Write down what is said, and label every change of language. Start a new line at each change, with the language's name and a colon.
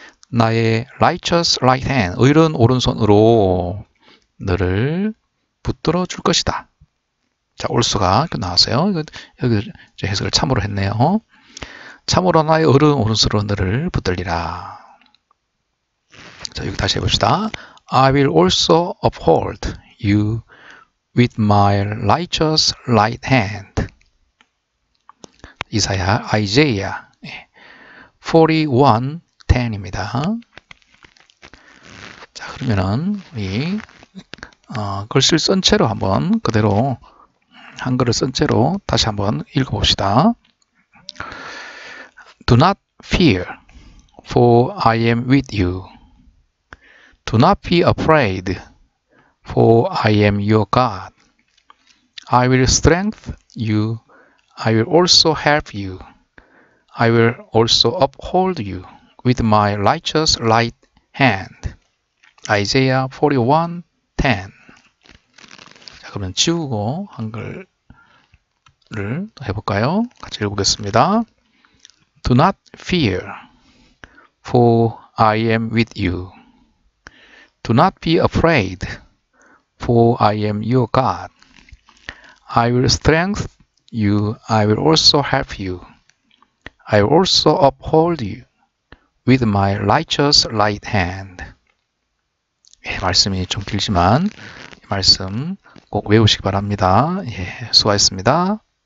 Korean: 나의
English: righteous right hand,
Korean: 의로운 오른손으로 너를 붙들어 줄 것이다. 자, 올수가 나왔어요. 여기 해석을 참으로 했네요. 참으로 나의 의로운 오른손으로 너를 붙들리라. 자, 여기 다시 해봅시다.
English: I will also uphold you with my righteous right hand.
Korean: 이사야, Isaiah 41, 10입니다. 자, 그러면은 글씨를 쓴 채로 한번 그대로 한글을 쓴 채로 다시 한번 읽어봅시다.
English: Do not fear, for I am with you. Do not be afraid, for I am your God. I will strengthen you. I will also help you. I will also uphold you with my righteous right hand. Isaiah 41:10.
Korean: 자, 그러면 지우고 한글을 해볼까요? 같이 읽어보겠습니다.
English: Do not fear, for I am with you. Do not be afraid, for I am your God. I will strengthen you. I will also help you. I will also uphold you with my righteous right hand.
Korean: 예, 말씀이 좀 길지만, 이 말씀 꼭 외우시기 바랍니다. 예, 수고하셨습니다.